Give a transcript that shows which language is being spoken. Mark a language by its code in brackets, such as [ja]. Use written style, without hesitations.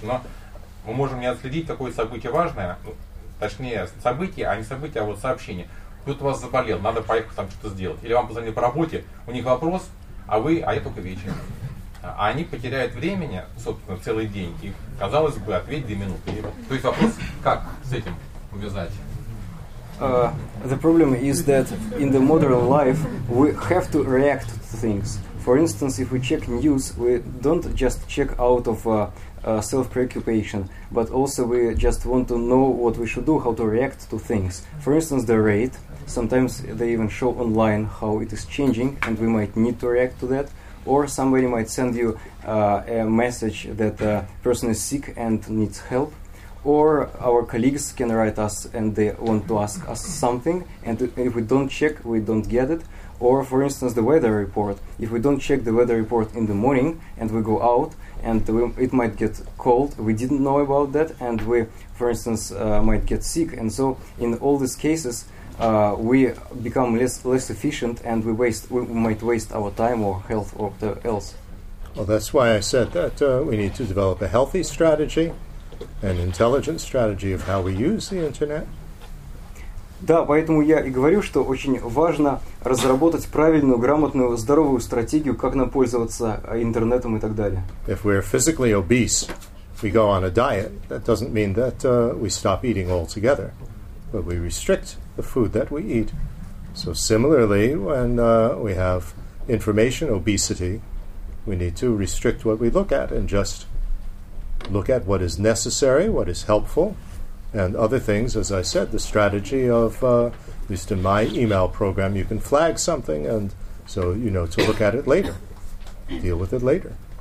[ru] Но мы можем не отследить какое-то событие важное, точнее событие, а не событие, а вот сообщение. Кто-то у вас заболел, надо поехать там что-то сделать. Или вам позвонили по работе, у них вопрос, а я только вечером. А они потеряют времени, собственно, целый день. И, казалось бы, ответь 2 минуты. То есть вопрос, как с этим увязать? [en] The problem is that in the modern life we have to react to things. For instance, if we check news, we don't just check out of self-preoccupation, but also we just want to know what we should do, how to react to things. For instance, the rate. Sometimes they even show online how it is changing, and we might need to react to that. Or somebody might send you a message that a person is sick and needs help. Or our colleagues can write us and they want to ask us something. And if we don't check, we don't get it. Or, for instance, the weather report. If we don't check the weather report in the morning and we go out and it might get cold, we didn't know about that, and we, for instance, might get sick. And so in all these cases, we become less efficient, and we might waste our time or health or whatever else. Well, that's why I said that we need to develop a healthy strategy, an intelligent strategy of how we use the internet. [ru] Да, поэтому я и говорю, что очень важно разработать правильную, грамотную, здоровую стратегию, как нам пользоваться интернетом и так далее. [en] If we're physically obese, we go on a diet. That doesn't mean that we stop eating altogether, but we restrict the food that we eat. So similarly, when we have information obesity, we need to restrict what we look at and just look at what is necessary, what is helpful, and other things, as I said, the strategy of, at least in my email program, you can flag something and so you know to look at it later, deal with it later.